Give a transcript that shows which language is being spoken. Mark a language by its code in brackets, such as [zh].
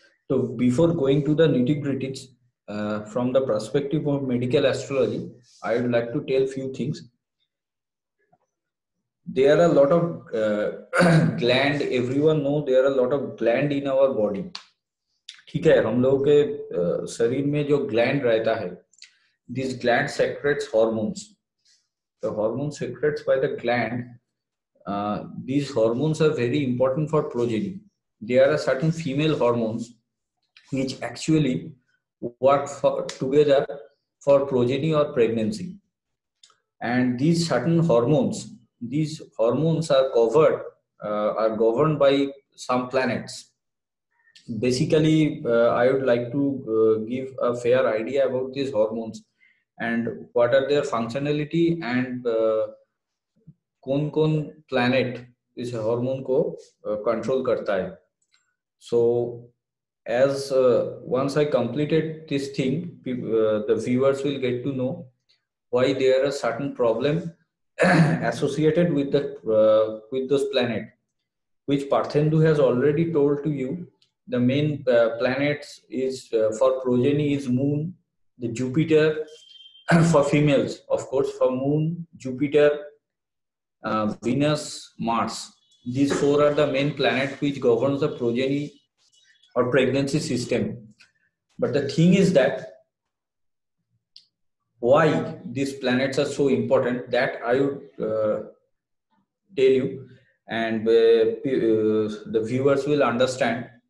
[en] So before going to the nitty-gritties, from the perspective of medical astrology, I would like to tell few things. There are a lot of gland, everyone know there are a lot of gland in our body. [hi] ठीक है, हम लोगों के शरीर में जो gland रहता है, [en] this gland secretes hormones. The hormone secretes by the gland, these hormones are very important for progeny. There are certain female hormones which actually work together for progeny or pregnancy. And these certain hormones, these hormones are covered, are governed by some planets. Basically, I would like to give a fair idea about these hormones and what are their functionality, and [hi] kon kon [en] planet [hi] इस hormone को control करता है. [en] So as once I completed this thing the viewers will get to know why there are certain problem associated with the with those planet which Parthendu has already told to you. The main planets is for progeny is moon the Jupiter for females of course for moon Jupiter Venus, Mars. These four are the main planets which governs the progeny or pregnancy system. But the thing is that why these planets are so important, that I would tell you, and the viewers will understand.